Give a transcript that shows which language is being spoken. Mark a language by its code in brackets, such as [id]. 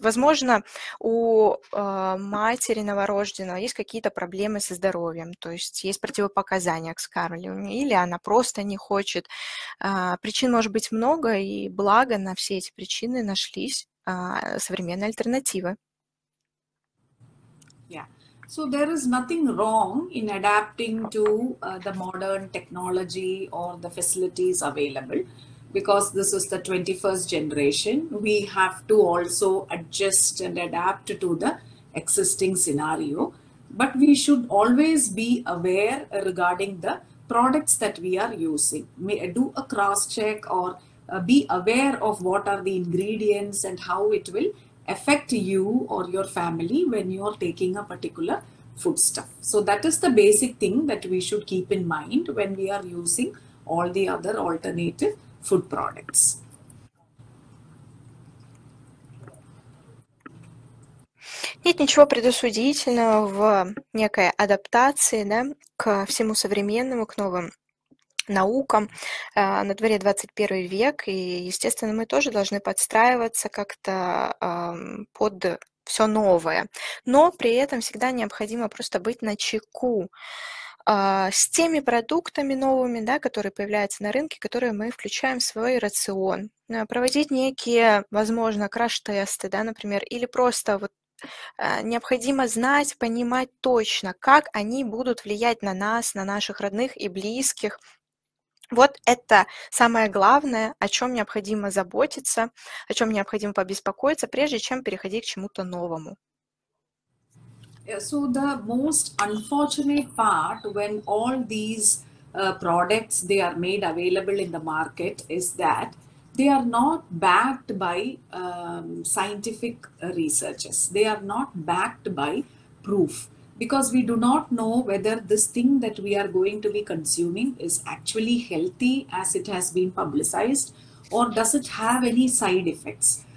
[ru] Возможно, у матери новорожденного есть какие-то проблемы со здоровьем, то есть есть противопоказания к скармливанию, или она просто не хочет. Причин может быть много, и благо на все эти причины нашлись современные альтернативы. [en] So there is nothing wrong in adapting to the modern technology or the facilities available, because this is the 21st generation. We have to also adjust and adapt to the existing scenario, but we should always be aware regarding the products that we are using. Do a cross check or be aware of what are the ingredients and how it will affect you or your family when you are taking a particular foodstuff. So that is the basic thing that we should keep in mind when we are using all the other alternative food products. [ru] Нет ничего предосудительного в некой адаптации, да, к всему современному, к новым наукам. На дворе 21 век, и, естественно, мы тоже должны подстраиваться как-то под все новое. Но при этом всегда необходимо просто быть начеку с теми продуктами новыми, да, которые появляются на рынке, которые мы включаем в свой рацион. Проводить некие, возможно, краш-тесты, да, например, или просто вот необходимо знать, понимать точно, как они будут влиять на нас, на наших родных и близких. Вот это самое главное, о чем необходимо заботиться, о чем необходимо побеспокоиться, прежде чем переходить к чему-то новому. [en] So the most unfortunate part when all these products they are made available in the market is that they are not backed by scientific researches. They are not backed by proof. Because we do not know whether this thing that we are going to be consuming is actually healthy as it has been publicized, or does it have any side effects.